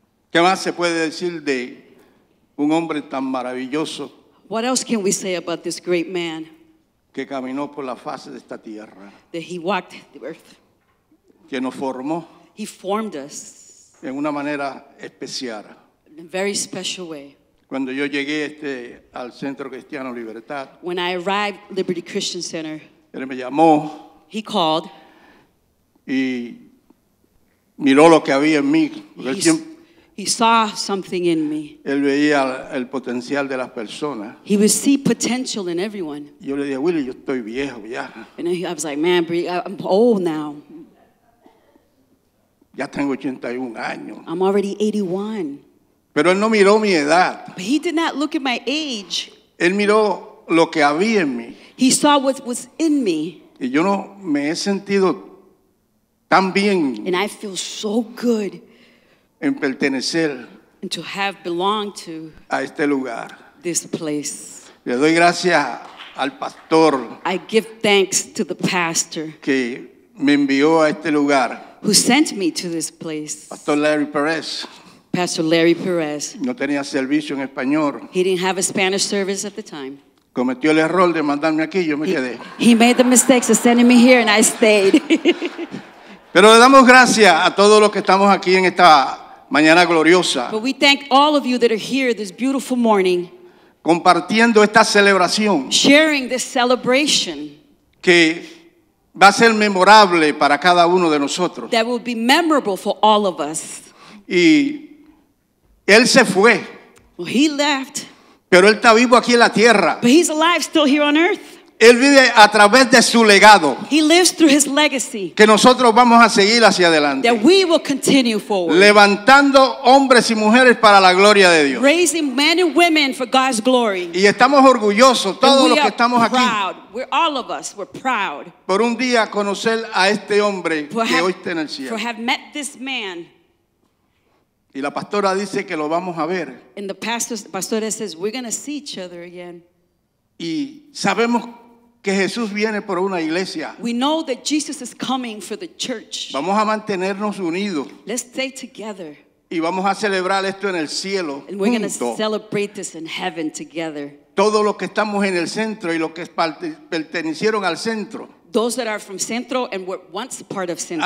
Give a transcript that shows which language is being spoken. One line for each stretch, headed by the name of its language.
Spanish: ¿Qué más se puede decir de un hombre tan maravilloso?
English: What else can we say about this great man?
Spanish: Que caminó por la faz de esta tierra.
English: That he walked the earth.
Spanish: Que nos formó.
English: He formed us
Spanish: en una manera especial.
English: In a very special way.
Spanish: Cuando yo llegué al Centro Cristiano Libertad,
English: when I arrived at Liberty Christian Center,
Spanish: él me llamó.
English: He called.
Spanish: Y miró lo que había en mí.
English: He saw something in me.
Spanish: Él veía el potencial de las personas.
English: He would see potential in everyone.
Spanish: Yo le dije, Willie, yo estoy viejo ya.
English: And I was like, man, I'm old now.
Spanish: Ya tengo 81 años.
English: I'm already 81.
Spanish: Pero él no miró mi edad.
English: But he did not look at my age.
Spanish: Él miró lo que había en mí.
English: He saw what was in me.
Spanish: Y yo no me he sentido tan bien.
English: And I feel so good.
Spanish: En pertenecer.
English: And to have belonged to.
Spanish: A este lugar.
English: This place.
Spanish: Le doy gracias al pastor.
English: I give thanks to the pastor.
Spanish: Que me envió a este lugar.
English: Who sent me to this place?
Spanish: Pastor Larry Perez.
English: Pastor Larry Perez.
Spanish: No tenía servicio en español.
English: He didn't have a Spanish service at the time.
Spanish: Cometió el error de mandarme aquí, yo me quedé.
English: He made the mistakes of sending me here and I stayed.
Spanish: Pero le damos gracias a todos los que estamos aquí en esta mañana gloriosa.
English: But we thank all of you that are here this beautiful morning.
Spanish: Compartiendo esta celebración.
English: Sharing this celebration.
Spanish: Que va a ser memorable para cada uno de nosotros.
English: That will be memorable for all of us.
Spanish: Y él se fue.
English: Well, he left.
Spanish: Pero él está vivo aquí en la tierra.
English: But he's alive still here on earth.
Spanish: Él vive a través de su legado.
English: He lives through his legacy.
Spanish: Que nosotros vamos a seguir hacia adelante.
English: That we will continue forward.
Spanish: Levantando hombres y mujeres para la gloria de Dios.
English: Raising men and women for God's glory.
Spanish: Y estamos orgullosos todos los que estamos aquí.
English: We're all of us, we're proud.
Spanish: Por un día conocer a este hombre que hoy está en el cielo.
English: For have met this man.
Spanish: Y la pastora dice que lo vamos a ver.
English: And the pastor says we're going to see each other again.
Spanish: Y sabemos que Jesús viene por una iglesia.
English: We know that Jesus is coming for the church.
Spanish: Vamos a mantenernos unidos.
English: Let's stay together.
Spanish: Y vamos a celebrar esto en el cielo.
English: And we're going to celebrate this in heaven together.
Spanish: Todos los que estamos en el centro y los que pertenecieron al centro.
English: Those that are from Centro and were once part of Centro.